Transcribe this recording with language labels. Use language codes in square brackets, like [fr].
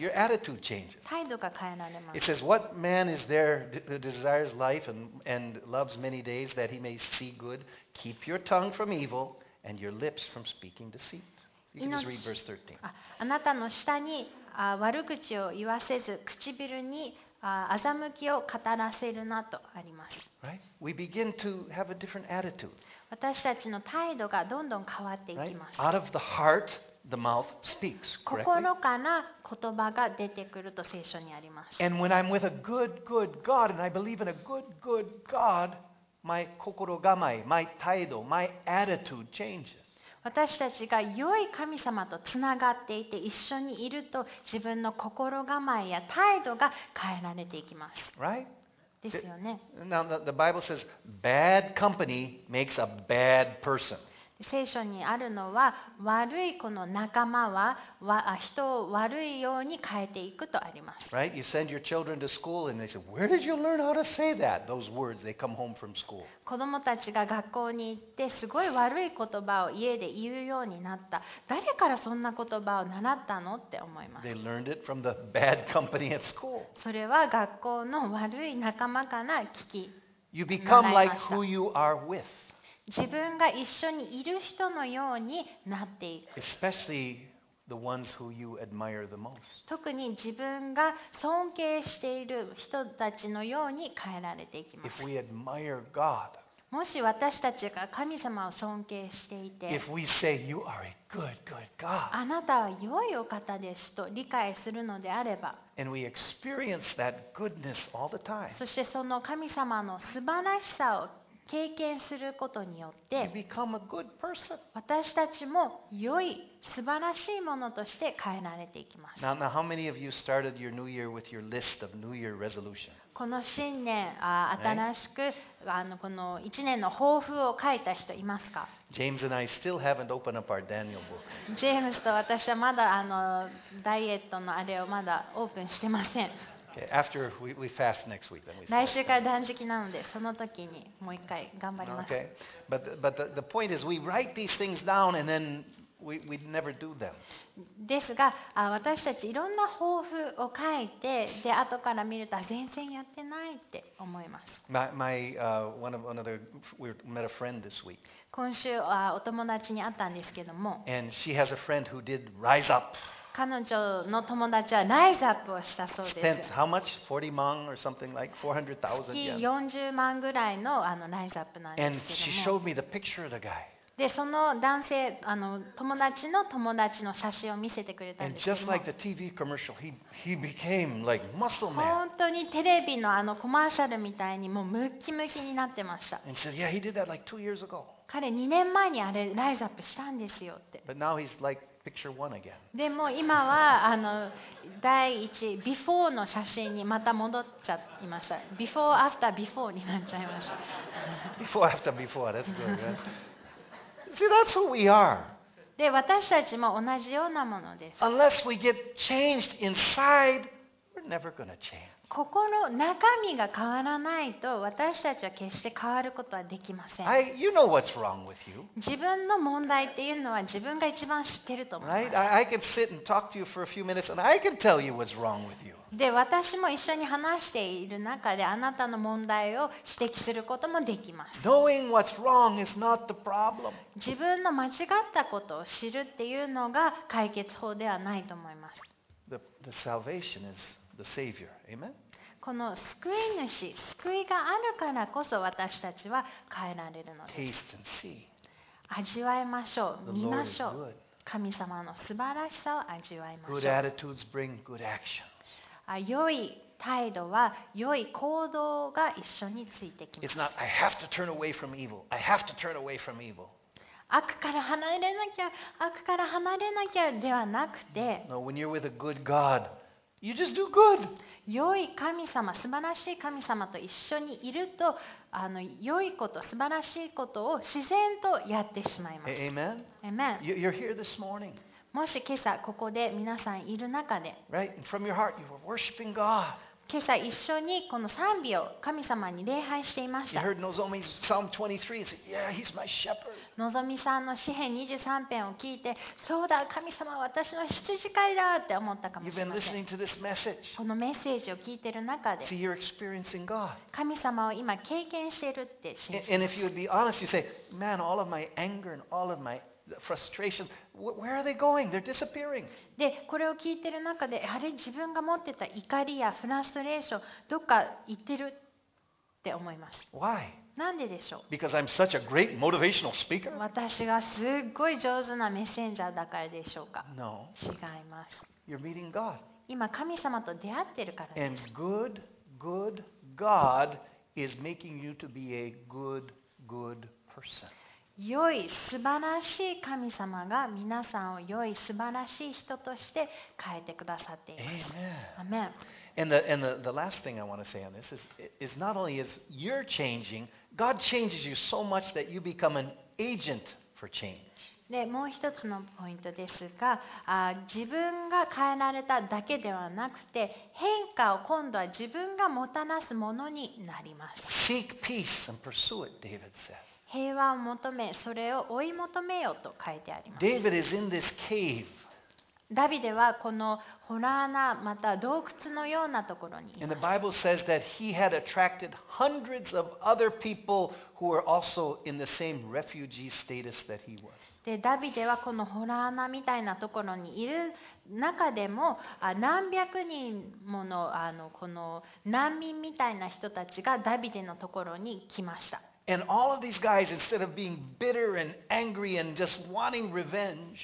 [en] Right? Your attitude changes. [ja] 態度が変えられます。 [en] It says, "What man is there that desires life and loves many days that he may see good? Keep your tongue from evil and your lips from speaking deceit." You can just read verse 13. [ja] あなたの舌に悪口を言わせず、唇に欺きを語らせるなとあります。 [en] Right? We begin to have a different attitude. [ja] 私たちの態度がどんどん変わっていきます。 [en] Right? Out of the heart. The mouth speaks correctly. [ja] 心から言葉が出てくると聖書にあります。 [en] And when I'm with a good, good God, and I believe in a good, good God, my [ja] 心構え、 [en] my [ja] 態度、 [en] my attitude changes. [ja] 私たちが良い神様とつながっていて一緒にいると自分の心構えや態度が変えられていきます。 [en] Right? [ja] ですよね。 [en] Now the Bible says, bad company makes a bad person. [ja] 聖書にあるのは悪いこの仲間は人を悪いように変えていくとあります。 [en] Right? You send your children to school and they say, "Where did you learn how to say that?" Those words they come home from school. [ja] 子供たちが学校に行ってすごい悪い言葉を家で言うようになった。誰からそんな言葉を習ったのって思います。 [en] They learned it from the bad company at school. [ja] それは学校の悪い仲間から聞き、習いました。 [en] You become like who you are with. [ja] 自分が一緒にいる人のようになっていく。 [en] Especially the ones who you admire the most. [ja] 特に自分が尊敬している人たちのように変えられていきます。 [en] If we admire God, [ja] もし私たちが神様を尊敬していて、 [en] If we say you are a good, good God, [ja] あなたは良いお方ですと理解するのであれば、 [en] And we experience that goodness all the time. [ja] そしてその神様の素晴らしさを経験することによって私たちも良い素晴らしいものとして変えられていきます。 [en] Now how many of you started your new year with your list of new year resolutions? [ja] この新年新しく、 [en] right? [ja] この1年の抱負を書いた人いますか。 [en] James and I still haven't opened up our Daniel book. [ja] ジェームスと私はまだダイエットのあれをまだオープンしてません。 [en] After we fast next week, then we. [ja] 来週から断食なので、その時にもう一回頑張ります。 [en] Okay, but the point is, we write these things down and then we never do them. [ja] ですが、私たちいろんな抱負を書いて、で後から見ると全然やってないって思います。 [en] My one of we met a friend this week. [ja] 今週はお友達に会ったんですけども。 [en] And she has a friend who did rise up. [ja] 彼女の友達はライズアップをしたそうです。 [en] Spent how much? 40万 or something like 400,000 yen. [ja] 月40万ぐらいのライズアップなんですけども。 [en] And she showed me the picture of the guy. [ja] で、その男性、友達の友達の写真を見せてくれたんですけど、 [en] like he became like、muscle man. [ja] 本当にテレビの、コマーシャルみたいにもうムキムキになってました。 [en] And said, yeah, he did that like 2 years ago. [ja] 彼2年前にあれライズアップしたんですよって。 [en] But now he's like picture one again. [ja] でも今は第一、before の写真にまた戻っちゃいました。 [en] Before, after, before [ja] になっちゃいました。 [en] Before, after, before. That's good, right? See, that's who we are. [ja] で、私たちも同じようなものです。 [en] Unless we get changed inside, we're never gonna change. [ja] 心の中身が変わらないと、私たちは決して変わることはできません。 [en] You know what's wrong with you. [ja] 自分の問題っていうのは自分が一番知ってると思います。 [en] Right? I can sit and talk to you for a few minutes and I can tell you what's wrong with you. [ja] で、私も一緒に話している中で、あなたの問題を指摘することもできます。 [en] Knowing what's wrong is not the problem. [ja] 自分の間違ったことを知るっていうのが解決法ではないと思います。 [en] The salvation is the Savior. Amen? [ja] この救い主、救いがあるからこそ私たちは変えられるのです。 [en] Taste and see. [ja] 味わいましょう。見ましょう。神様の素晴らしさを味わいましょう。 [en] Good attitudes bring good action. [ja] 良い態度は良い行動が一緒についてきます。 [en] It's not, I have to turn away from evil. I have to turn away from evil. [ja] 悪から離れなきゃ、悪から離れなきゃではなくて、 [en] No, when you're with a good God, you just do good. [ja] 良い神様、素晴らしい神様と一緒にいると、良いこと、素晴らしいことを自然とやってしまいます。 [en] Amen. Amen. You're here this morning. [ja] もし今朝ここで皆さんいる中で、 [en] Right, and from your heart, you were worshiping God. [ja] 今朝一緒にこの賛美を神様に礼拝していました。 [en] You heard Nozomi's Psalm 23 and said, Yeah, he's my shepherd. [ja] のぞみさんの詩篇23編を聞いて、そうだ、神様は私の羊飼いだって思ったかもしれません。 [en] You've been listening to [ja] このメッセージを聞いている中で、 [en] See, you're experiencing God. [ja] 神様を今経験しているって信じて。 [en] And if you would be honest, you'd say, Man, all of my anger and all of myFrustration. Where are they going? They're disappearing. [ja] で、これを聞いてる中で、あれ自分が持ってた怒りやフラストレーション、どっか行ってるって思います。 [en] Why? [ja] なんででしょう。 [en] Because I'm such a great motivational speaker. [ja] 私がすごい上手なメッセンジャーだからでしょうか。 [en] No. [ja] 違います。 [en] You're meeting God. [ja] 今神様と出会ってるからです。 [en] And good, good God is making you to be a good, good person. [ja] 良い素晴らしい神様が皆さんを良い素晴らしい人として変えてくださっています。 [en] Amen. And the last thing I want to say on this is not only is you're changing, God changes you so much that you become an agent for change. [ja] でもう一つのポイントですが、自分が変えられただけではなくて、変化を今度は自分がもたらすものになります。 [en] Seek peace and pursue it, David says. [ja] 平和を求め、それを追い求めよと書いてあります。 [en] David is in this cave. [ja] ダビデはこのホラー穴、また洞窟のようなところにいます。 [en] And the Bible says that he had attracted hundreds of other people who were also in the same refugee status that he was. [ja] で、ダビデはこのホラー穴みたいなところにいる中でも、何百人もの、この難民みたいな人たちがダビデのところに来ました。 [en] And all of these guys, instead of being bitter and angry and just wanting revenge,